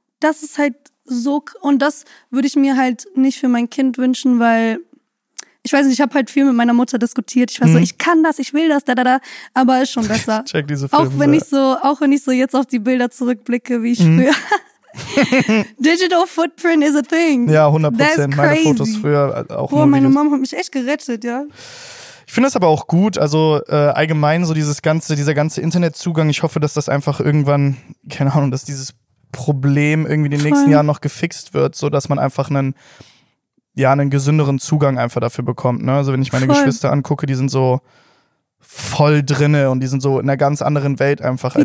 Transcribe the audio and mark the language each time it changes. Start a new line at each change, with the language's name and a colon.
German: Das ist halt... So, und das würde ich mir halt nicht für mein Kind wünschen, weil ich weiß nicht, ich habe halt viel mit meiner Mutter diskutiert. Ich war so, ich kann das, ich will das, aber ist schon besser. Check diese Filme. Auch wenn ich so, jetzt auf die Bilder zurückblicke, wie ich früher.
English: Digital footprint is a thing. Ja, 100%. That's crazy.
German: Meine Fotos früher auch. Boah, meine Mom hat mich echt gerettet, ja. Ich finde das aber auch gut, also allgemein so dieser ganze Internetzugang, ich hoffe, dass das einfach irgendwann, keine Ahnung, dass dieses Problem irgendwie in den nächsten Jahren noch gefixt wird, so dass man einfach einen gesünderen Zugang einfach dafür bekommt, ne? Also wenn ich meine Geschwister angucke, die sind so voll drinne und die sind so in einer ganz anderen Welt einfach